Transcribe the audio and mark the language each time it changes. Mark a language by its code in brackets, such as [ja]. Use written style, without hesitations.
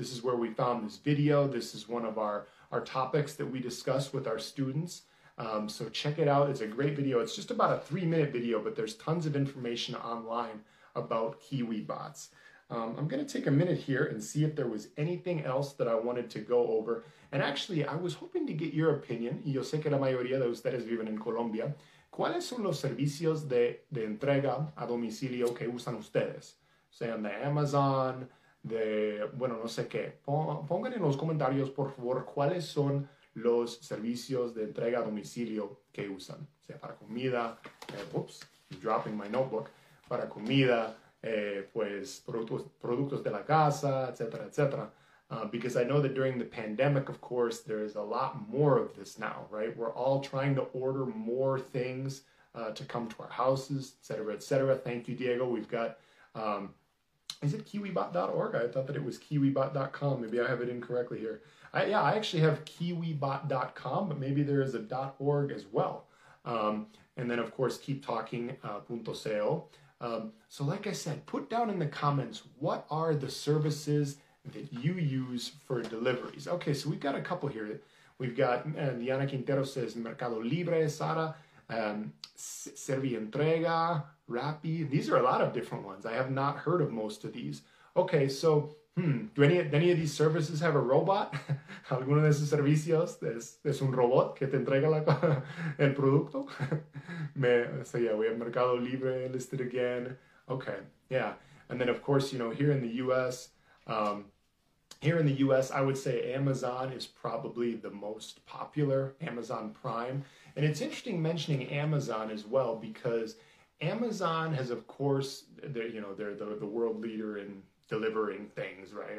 [en] This is where we found this video. This is one of our topics that we discuss with our students. So check it out. It's a great video. It's just about a 3-minute video, but there's tons of information online about KiwiBots. I'm going to take a minute here and see if there was anything else that I wanted to go over. And actually, I was hoping to get your opinion. [es] Yo sé que la mayoría de ustedes viven en Colombia. ¿Cuáles son los servicios de entrega a domicilio que usan ustedes? Sean de Amazon, de, bueno, no sé qué. Pongan en los comentarios, por favor, cuáles son los servicios de entrega a domicilio que usan. O sea, para comida, [en] oops, dropping my notebook, [es] para comida, pues productos de la casa, etcétera, etcétera. [en] Because I know that during the pandemic, of course, there is a lot more of this now, right? We're all trying to order more things to come to our houses, etc., etc. Thank you, Diego. We've got, is it kiwibot.org? I thought that it was kiwibot.com. Maybe I have it incorrectly here. I actually have kiwibot.com, but maybe there is a .org as well. And then, of course, keeptalking.co. So like I said, put down in the comments, what are the services that you use for deliveries. Okay, so we've got a couple here. We've got Diana Quintero says Mercado Libre, Sara, Servientrega, Rappi. These are a lot of different ones. I have not heard of most of these. Okay, so do any of these services have a robot? [es] ¿Alguno de esos servicios es un robot que te entrega el producto? [en] So yeah, we have Mercado Libre listed again. Okay, yeah. And then of course, you know, here in the U.S., I would say Amazon is probably the most popular, Amazon Prime. And it's interesting mentioning Amazon as well, because Amazon has, of course, they're the world leader in delivering things, right?